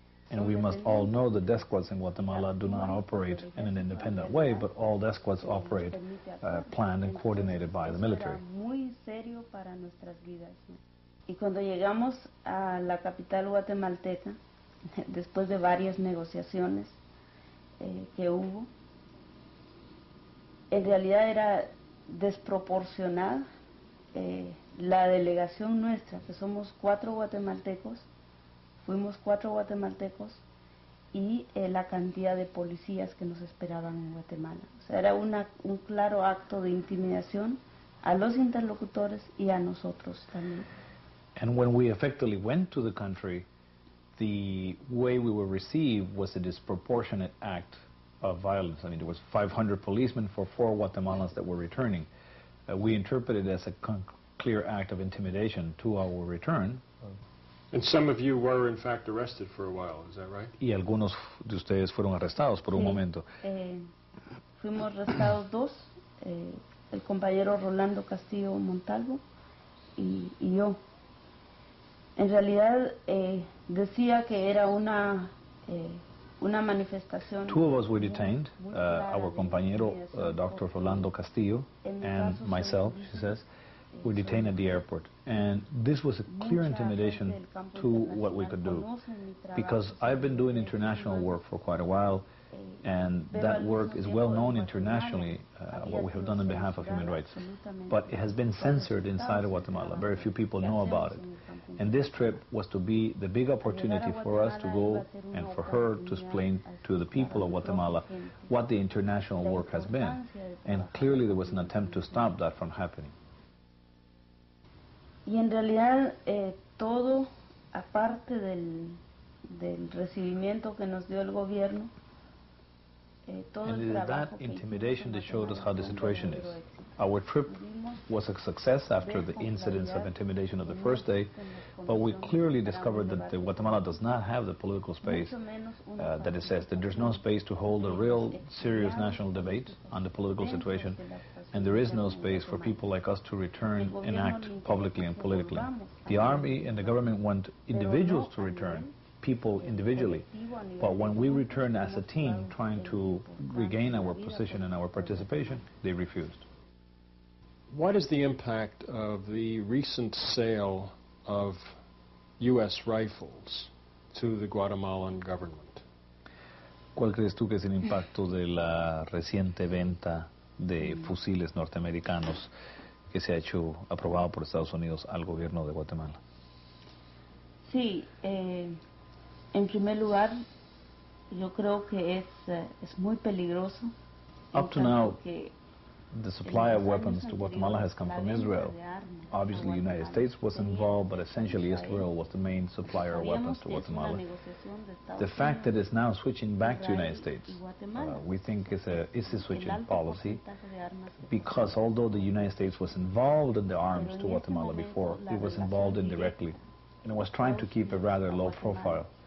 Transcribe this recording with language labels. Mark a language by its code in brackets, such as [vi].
[en] And we must all know that death squads in Guatemala do not operate in an independent way, but all death squads operate planned and coordinated by the military. [es] Y cuando llegamos a la capital guatemalteca, después de varias negociaciones que hubo, en realidad era desproporcionada la delegación nuestra, que somos cuatro guatemaltecos, fuimos cuatro guatemaltecos, y la cantidad de policías que nos esperaban en Guatemala. O sea, era un claro acto de intimidación a los interlocutores y a nosotros también. [en] And when we effectively went to the country, the way we were received was a disproportionate act of violence. I mean, there was 500 policemen for four Guatemalans that were returning. We interpreted it as a clear act of intimidation to our return. And some of you were in fact arrested for a while, is that right? [es] Y algunos de ustedes fueron arrestados por un momento. Fuimos arrestados dos, el compañero Rolando Castillo Montalvo y yo. En realidad decía que era una una manifestación. [en] Two of us were detained, our compañero Dr. Rolando Castillo and myself, she says. Were detained at the airport, and this was a clear intimidation to what we could do, because I've been doing international work for quite a while, and that work is well known internationally, what we have done on behalf of human rights, but it has been censored inside of Guatemala. Very few people know about it, and this trip was to be the big opportunity for us to go and for her to explain to the people of Guatemala what the international work has been, and clearly there was an attempt to stop that from happening. [es] Y en realidad todo aparte del recibimiento que nos dio el gobierno todo [en] and el that intimidation that showed us how the situation is. Our trip was a success after the incidents of intimidation of the first day, but we clearly discovered that Guatemala does not have the political space that it says, that there's no space to hold a real serious national debate on the political situation, and there is no space for people like us to return and act publicly and politically. The army and the government want individuals to return, people individually, but when we return as a team trying to regain our position and our participation, they refused. What is the impact of the recent sale of U.S. rifles to the Guatemalan government? [es] ¿Cuál crees tú que es el impacto de la reciente venta de fusiles norteamericanos que se ha hecho aprobado por Estados Unidos al gobierno de Guatemala? Sí, en primer lugar, yo creo que es muy peligroso. [en] Up to now, the supply of weapons to Guatemala has come from Israel. Obviously, the United States was involved, but essentially Israel was the main supplier of weapons to Guatemala. The fact that it's now switching back to the United States, we think is a switching policy, because although the United States was involved in the arms to Guatemala before, it was involved indirectly, and it was trying to keep a rather low profile.